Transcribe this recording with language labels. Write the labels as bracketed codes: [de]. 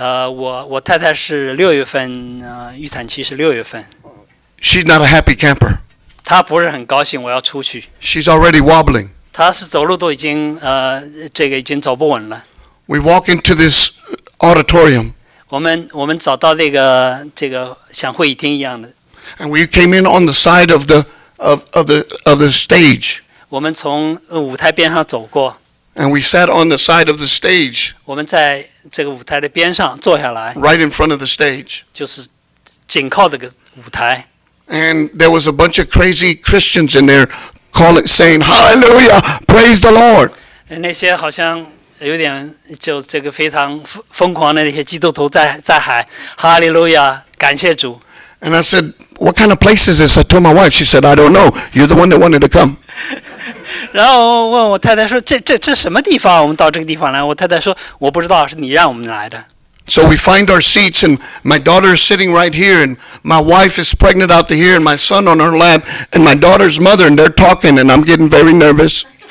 [zh] 我太太是6月份 预产期是6月份 [en] She's not a happy camper [zh] 她不是很高兴我要出去 [en] She's already wobbling [zh] 她是走路都已经 这个已经走不稳了 [en] We walk into this auditorium. [zh] 我们找到这个像会议厅一样的。 [en] And we came in on the side of the stage. [zh] 我们从舞台边上走过。 [en] And we sat on the side of the stage. [zh] 我们在这个舞台的边上坐下来。 [en] Right in front of the stage. [zh] 就是紧靠这个舞台。 [en] And there was a bunch of crazy Christians in there calling, saying, Hallelujah, praise the Lord. [zh] 那些好像 有点就这个非常疯狂的那些基督徒在喊 Hallelujah, 感谢主 [en] And I said, what kind of place is this? I told my wife, she said, I don't know. You're the one that wanted to come. [zh] 然后问我太太说, 这什么地方?我们到这个地方来 我太太说, 我不知道, 是你让我们来的 [en] So we find our seats and my daughter is sitting right here and my wife is pregnant out to here and my son on her lap and my daughter's mother and they're talking and I'm getting very nervous.